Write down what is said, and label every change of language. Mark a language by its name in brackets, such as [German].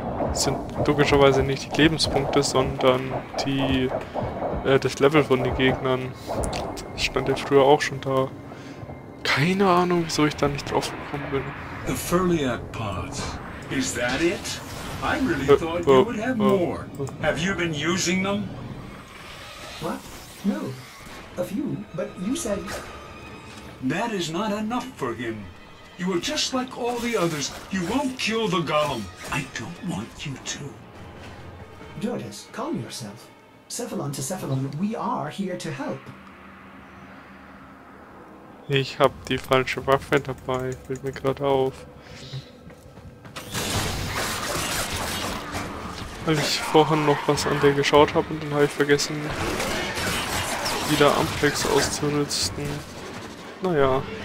[German] Das sind logischerweise nicht die Lebenspunkte, sondern die das Level von den Gegnern. Das stand ja früher auch schon da. Keine Ahnung, wieso ich da nicht drauf gekommen bin. [English] The Furliac parts. Is that it? I really thought you would have more. Have you been using them? What? No. A few, but you said. That is not enough for him. You are just like all the others. You won't kill the golem. I don't want you to. Dordis, calm yourself. Cephalon to Cephalon, we are here to help. [German] Ich hab die falsche Waffe dabei, fällt mir gerade auf. Weil ich vorhin noch was an der geschaut habe und dann habe ich vergessen, wieder Amplex auszunutzen. Naja.